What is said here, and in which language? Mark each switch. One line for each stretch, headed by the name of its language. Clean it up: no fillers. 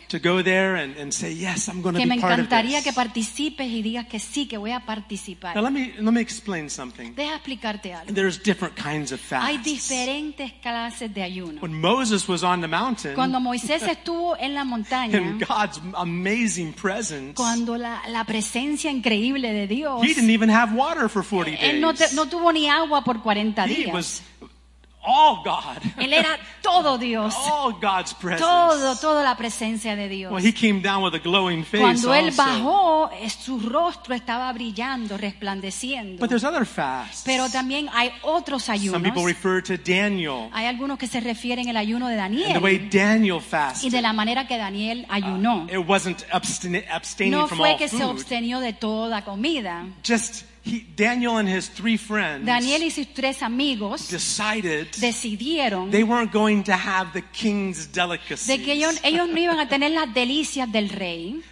English: To go there and say yes, I'm going to be part of this.
Spanish: Que participes y digas que sí, que voy a participar.
English: Now let me explain something.
Spanish: Deja explicarte algo.
English: There's different kinds of fasts.
Spanish: Hay diferentes clases de ayuno.
English: When Moses was on the mountain,
Spanish: cuando Moisés estuvo en la montaña,
English: in God's amazing presence,
Spanish: cuando la presencia increíble de Dios,
English: he didn't even have water for 40 days.
Spanish: Él no tuvo ni agua por 40 días.
English: He was all God.
Spanish: Él era todo Dios.
English: All God's presence.
Spanish: Todo la presencia de Dios.
English: Well, he came down with a glowing face.
Spanish: Cuando él
English: also.
Spanish: Bajó, su rostro estaba brillando, resplandeciendo.
English: But there's other fasts.
Spanish: Pero también hay otros ayunos.
English: Some people refer to Daniel.
Spanish: Hay algunos que se refieren al ayuno de Daniel.
English: And the way Daniel fasted.
Spanish: Y de la manera que Daniel ayunó.
English: It wasn't abstaining
Spanish: no
English: from all food.
Spanish: No fue que se abstenió de toda comida.
English: Just Daniel and his three friends
Spanish: Daniel y sus tres amigos decidieron
English: they weren't going to have the king's delicacies.
Spanish: De que ellos no iban a tener las delicias del rey.